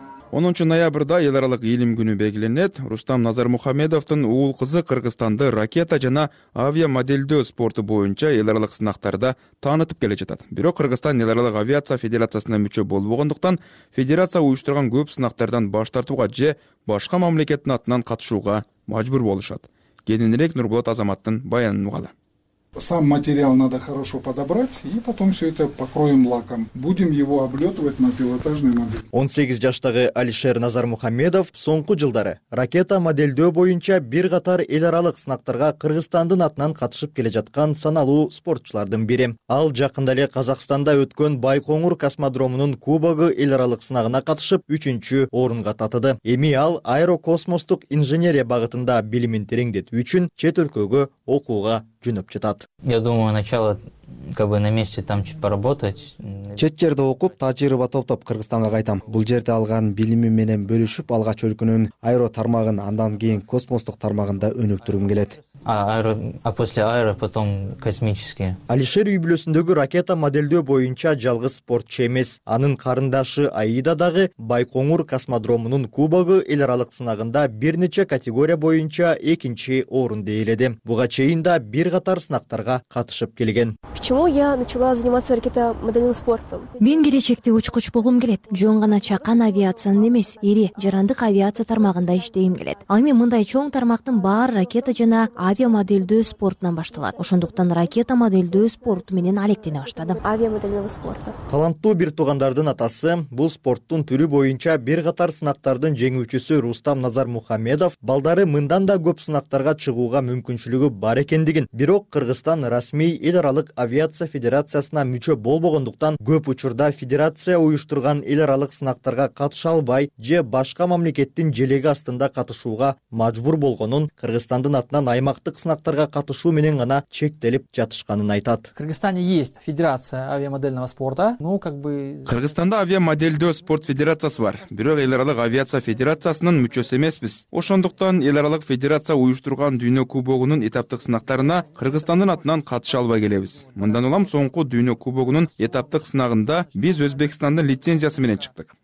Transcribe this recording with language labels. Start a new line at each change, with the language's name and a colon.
Kyrgyz: Онунчу ноябрда эл аралык илим күнү белгиленет. Рустам Назармухамедовдун уул кызы Кыргызстанды ракета жана авиамоделдөө спорту боюнча эл аралык сынактарда таанытып келе жатат. Бирок Кыргызстан эл аралык авиация федерациясына мүчө болбогондуктан федерация уюштурган көп сынактардан баш тартууга же башка мамлекеттин атынан катышууга мажбур болушат. Кененирээк Нурболот Азаматтын баянын угалы.
Russian: Сам материал надо хорошо подобрать и потом все это покроем лаком. Будем его облетывать на пилотажной модели.
Kyrgyz: 18 жаштагы Алишер Назармухамедов соңку жылдары ракета моделдөө боюнча бир катар эл аралык сынактарга Кыргызстандын атынан катышып келе жаткан саналуу спортчулардын бири. Ал жакында эле Казакстанда өткөн Байконур космодромунун кубогу эл аралык сынагына катышып 3-чү орунга татыды. Эми ал аэрокосмостук инженерия багытында билимин тереңдетүү үчүн чет өлкөгө окууга жөнөп жатат.
Russian: Я думаю, начало на месте там чуть поработать.
Kyrgyz: Чет жерде окуп, тажрыйба топтоп Кыргызстанга кайтам. Бул жерде алган билимим менен бөлүшүп, алгач өлкөнүн аэро тармагын, андан кийин космостук тармагында өнүктүрүм келет.
Russian: Потом космический.
Kyrgyz: Алишер үй бүлөсүндөгү ракета моделдөө боюнча жалгыз спортчу эмес. Анын карындашы Аида дагы Байконур космодромунун кубогу эл аралык сынагында бир нече категория боюнча 2-чи орунду ээледи. Буга чейин да бир катар сынактарга катышып келген.
Russian: Почему я начала заниматься ракетомодельным спортом?
Kyrgyz: Мен келечекте учкуч болгум келет. Жөн гана чакан авиациянын эмес, ири жарандык авиация тармагында иштегим келет. Ал эми мындай чоң тармактын баары ракета жана авиамоделдөө спортунан башталат. Ошондуктан ракета моделдөө спорту менен алектене баштадым.
Russian: Авиамодельного спорта.
Kyrgyz: Таланттуу бир туугандардын атасы, бул спорттун түрү боюнча бир катар сынактардын жеңүүчүсү Рустам Назармухамедов балдары мындан да көп сынактарга чыгууга мүмкүнчүлүгү бар экендигин, бирок Кыргызстан расмий эл аралык авиация федерациясына мүчө болбогондуктан көп учурда федерация уюштурган эл аралык сынактарга катыша албай же башка мамлекеттин желеги астында катышууга мажбур болгонун, Кыргызстандын атынан аймактык сынактарга катышуу менен гана чектелип жатышканын айтат.
Russian: В Кыргызстане есть федерация авиамодельного спорта.
Kyrgyz: Кыргызстанда авиамоделдөө спорт федерациясы бар, бирок эл аралык авиация федерациясынын мүчөсү эмеспиз. Ошондуктан эл аралык федерация уюштурган дүйнө кубогунун этаптык сынактарына Кыргызстандын атынан катыша албай келебиз. Мындан улам соңку дүйнө кубогунун этаптык сынагында биз Өзбекстандын лицензиясы менен чыктык.